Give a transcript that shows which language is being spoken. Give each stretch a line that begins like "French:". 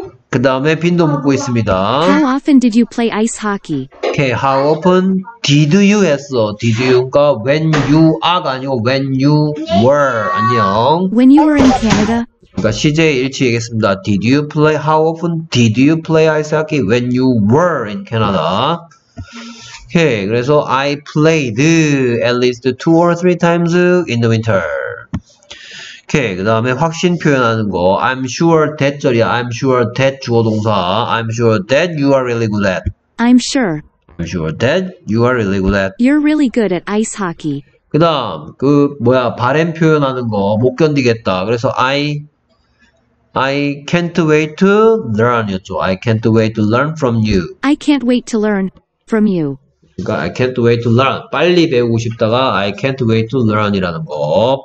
Korean: 그 다음에 빈도 묻고 있습니다.
English: How often did you play ice hockey? Okay, how often did you
Korean: 했어?
English: Did you가 when you
Korean: 아가 아니고
English: when you were.
Korean: 안녕.
English: When you were in Canada?
Korean: 그러니까 시제 일치 얘기했습니다.
English: Did you play, how often did you play ice hockey when you were in Canada? Okay,
Korean: 그래서
English: I played at least two or three times in the winter.
Korean: 오케이, 그 다음에 확신 표현하는 거.
English: I'm sure that
Korean: 절이야.
English: I'm sure that
Korean: 주어 동사.
English: I'm sure that you are really good at. I'm sure. I'm sure that you are really good at. You're really good at ice hockey.
Korean: 그 다음, 그 뭐야, 바램 표현하는 거. 못 견디겠다. 그래서
English: I can't wait to learn.
Korean: 이었죠.
English: I can't wait to learn from you. I can't wait to learn from you.
Korean: 그러니까
English: I can't wait to learn.
Korean: 빨리 배우고 싶다가
English: I can't wait to learn이라는 거.